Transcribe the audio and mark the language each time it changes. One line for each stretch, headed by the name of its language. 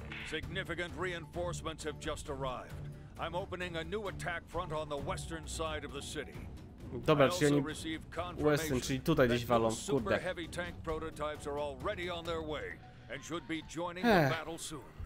English: Significant reinforcements have just arrived. I'm opening a new attack front on the western side of the city.
Polish: Dobra, czyli oni western, czyli tutaj gdzieś walą, kurde.
English: Heavy tank prototypes are already on their way and should be joining the battle soon.